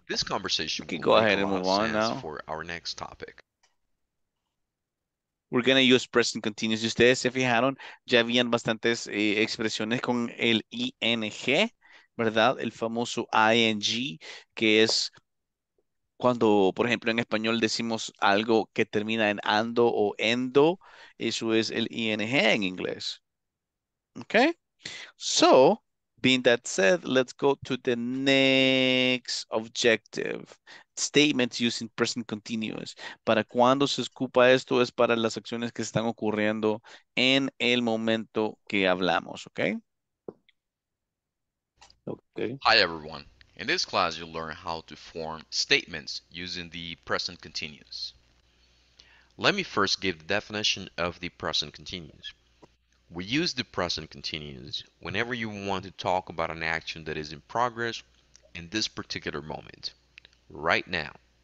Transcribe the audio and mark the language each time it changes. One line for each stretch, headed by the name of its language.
English: This conversation can go ahead and move on now for our next topic. We're going to use present continuous.
Spanish: Ustedes se fijaron, ya habían bastantes expresiones con el ing, ¿verdad? El famoso ing, que es cuando, por ejemplo, en español decimos algo que termina en ando o endo, eso es el ing en inglés.
English: Okay? So, being that said, let's go to the next objective. Statements using present continuous.
Spanish: ¿Para cuándo se ocupa esto? Es para las acciones que están ocurriendo en el momento que hablamos, ¿okay?
English: Okay. Hi, everyone. In this class, you'll learn how to form statements using the present continuous. Let me first give the definition of the present continuous. We use the present continuous whenever you want to talk about an action that is in progress in this particular moment, right now.